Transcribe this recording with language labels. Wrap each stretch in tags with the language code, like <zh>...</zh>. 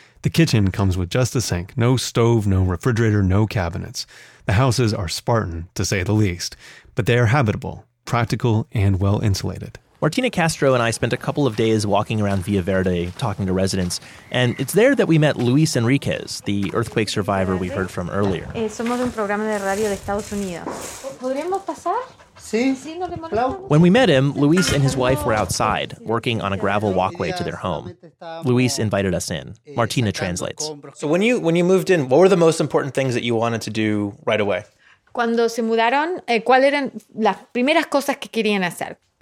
<en>The kitchen comes with just a sink, no stove, no refrigerator, no cabinets. The houses are Spartan, to say the least, but they are habitable, practical, and well-insulated. Martina Castro and I spent a couple of days walking around Via Verde, talking to residents, and it's there that we met Luis Enriquez, the earthquake survivor we heard from earlier.</en> <es>Somos un programa de radio de Estados Unidos. ¿Podríamos pasar?</es> <en>Sí. Hello. When we met him, Luis and his wife were outside, working on a gravel walkway to their home. Luis invited us in. Martina translates. So when you moved in, what were the most important things that you wanted to do right away?</en> <es>Cuando se mudaron, ¿cuáles eran las primeras cosas que querían hacer?</es>